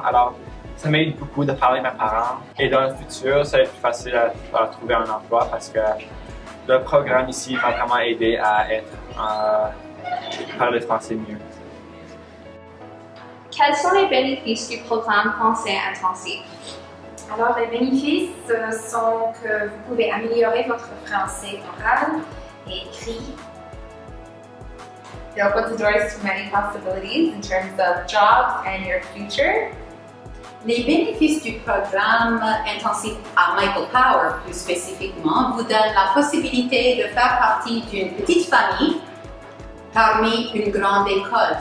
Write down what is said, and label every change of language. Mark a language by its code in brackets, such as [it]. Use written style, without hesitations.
[fr] Alors, ça m'aide beaucoup de parler à mes parents. Et dans le futur, ça va être plus facile à trouver un emploi parce que le programme ici m'a vraiment aidé à être, parler français mieux. Quels sont les bénéfices du programme français intensif? Alors, les bénéfices sont que vous pouvez améliorer votre français oral et écrit. [en] It opens the doors to many possibilities in terms of jobs and your future. [fr] Les bénéfices du programme intensif à Michael Power, plus spécifiquement, vous donnent la possibilité de faire partie d'une petite famille parmi une grande école.